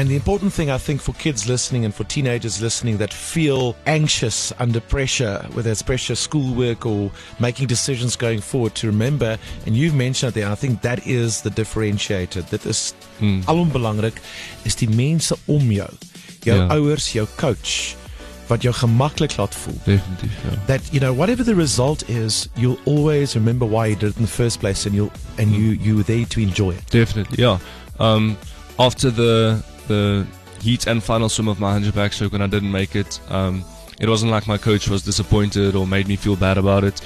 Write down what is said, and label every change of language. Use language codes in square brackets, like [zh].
[en] And the important thing, I think, for kids listening and for teenagers listening that feel anxious under pressure, whether it's pressure, schoolwork, or making decisions going forward, to remember, and you've mentioned it there, I think that is the differentiator, that is [af] alom belangrik, is die mense om jou. Jou ouers, jou coach, wat jou gemaklik laat voel. Definitief, [en] That, you know, whatever the result is, you'll always remember why you did it in the first place and you were there to enjoy it. Definitely, yeah. After the heat and final swim of my 100 backstroke when I didn't make it, it wasn't like my coach was disappointed or made me feel bad about it.